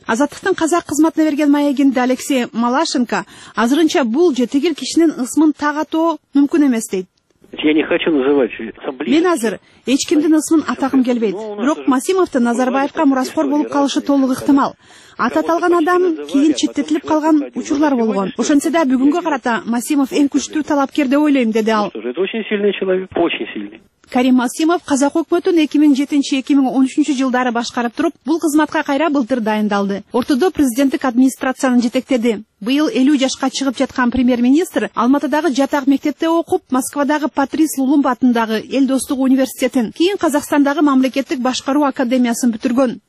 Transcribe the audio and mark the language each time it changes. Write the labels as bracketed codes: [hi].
[ky] Азаттыктын казак кызматына берген маегинде Алексей Малашенко азырынча бул же тигил кишинин ысмын так атоо мүмкүн эмес дейт. [ru] Я не хочу называть. [ky] Мен азыр эч кимдин ысмын атагым келбейт. Бирок Максимовдун Назарбаевка мураскор болуп калышы толук ыктымал. Аты аталган адам кийин четтетилип калган учурлар болгон. Ошентсе да бүгүнгө карата Максимов эң күчтүү талапкер деп ойлойм, деди ал. [ru] Это очень сильный человек, очень сильный. [ky] Карим Максимов казак өкмөтүн 2007-2013 жылдары башкарып туруп, бул кызматка кайра былтыр дайындалды. Ортодо президенттик администрацияны жетектеди. Быйыл 50 жашка чыгып жаткан премьер-министр Алматыдагы жатак мектепте окуп, Москвадагы Патрис Лумумба атындагы Эл Достук университетин, кийин Казакстандагы мамлекеттик башкаруу академиясын бүтүргөн.